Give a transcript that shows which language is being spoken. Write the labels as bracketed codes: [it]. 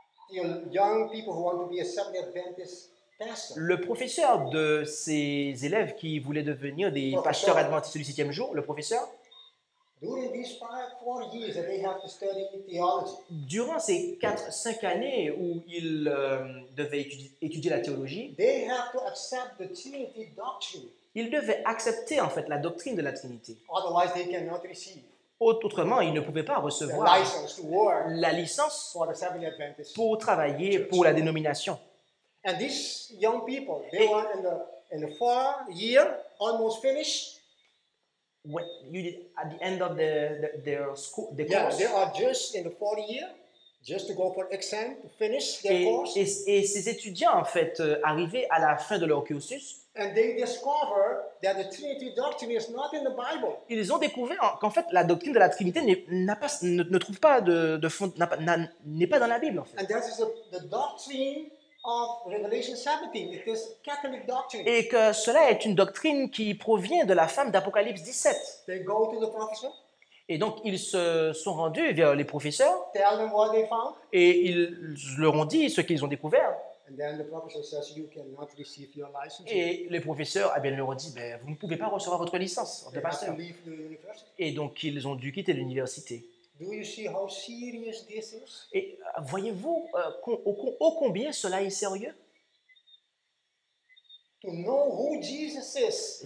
[en] young people who want to be a Seventh-day Adventist pastor. [fr] Le professeur de ces élèves qui voulaient devenir des pasteurs adventistes du septième jour, le professeur. [en] During these 5-4 years that they have to study theology. [fr] Durant ces 4-5 années où ils devaient étudier la théologie, [en] they have to accept the Trinity doctrine. [fr] Ils devaient accepter en fait la doctrine de la Trinité. [en] Otherwise they cannot receive. [fr] Autrement, ils ne pouvaient pas recevoir la licence [en] for the Seventh-day Adventist [fr] pour travailler [en] church. [fr] Pour la dénomination. [en] And these young people, they were in the 4 year almost finished. what you did at the end of the school, the yeah, course. Yeah, they are just in the fourth year, just to go for exam to finish their course. [fr] Et ces étudiants en fait arrivaient à la fin de leur cursus. [en] And they discover that the Trinity doctrine is not in the Bible. [fr] Ils ont découvert qu'en fait la doctrine de la Trinité n'est pas dans la Bible en fait. [en] And that is the doctrine of Revelation 17. It is Catholic doctrine. [fr] Et que cela est une doctrine qui provient de la femme d'Apocalypse 17. [en] They go to the professor. [fr] Et donc ils se sont rendus vers les professeurs. [en] Tell them what they found. [fr] Et ils leur ont dit ce qu'ils ont découvert. [en] And then the professor says, "You cannot receive your license." [fr] Et les professeurs, eh bien, leur ont dit, "Ben, vous ne pouvez pas recevoir votre licence de pasteur." Et donc, ils ont dû quitter l'université. [en] Do you see how serious this is? [fr] Et voyez-vous ô combien cela est sérieux? [en] To know who Jesus is.